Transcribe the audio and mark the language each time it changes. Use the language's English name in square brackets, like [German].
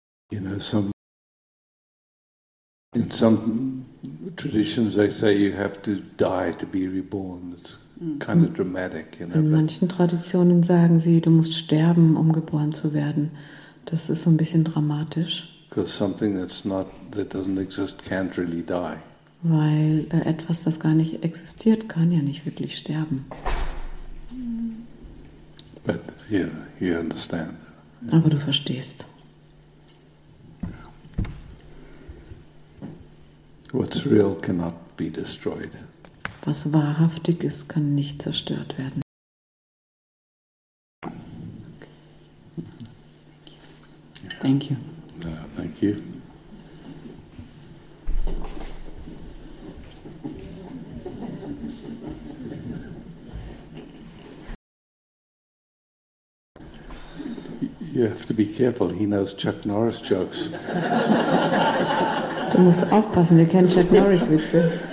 [English] You know, in some traditions they say you have to die to be reborn. It's kind of dramatic, you know. [German] In manchen Traditionen sagen sie, du musst sterben, um geboren zu werden. Das ist so ein bisschen dramatisch. [English] Because something that doesn't exist can't really die. [German] Weil etwas, das gar nicht existiert, kann ja nicht wirklich sterben. [English] But you understand. [German] Aber du verstehst. [English] What's real cannot be destroyed. [German] Was wahrhaftig ist, kann nicht zerstört werden. [English] Thank you. Thank you. You have to be careful, he knows Chuck Norris jokes. [German] Du musst aufpassen, der kennt Chuck Norris Witze.